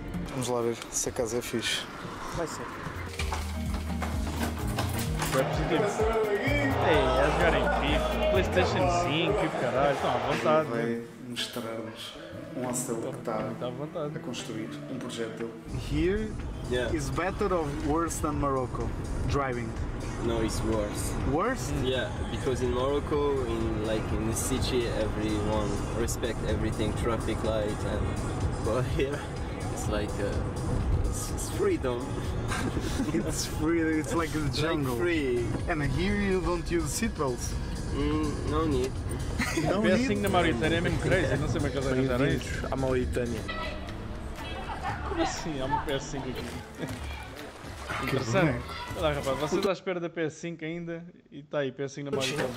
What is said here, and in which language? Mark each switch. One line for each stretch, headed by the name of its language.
Portuguese: Vamos lá ver se a casa é fixe. Vai ser. Foi positivo. Ei, é jogar em FIFA. PlayStation 5, caralho. Estão à vontade. Vai mostrar-nos um hostel que está a construir. Um projeto dele.
English: Here is better or worse than Morocco? Driving. No, it's worse. Worse? Yeah, because in Morocco, in the city, everyone respect everything, traffic light and... But here, it's like... it's freedom. It's freedom, it's like the jungle. Like free. And here you don't use seatbelts? No need. No need?
Portuguese: Assim na Mauritânia é mesmo crazy, não sei mais o que eu vou fazer. A Mauritânia. Como assim? Há uma PS5 aqui. Que interessante. Olha, rapaz, você está à espera da PS5 ainda e está aí, PS5 na maioria.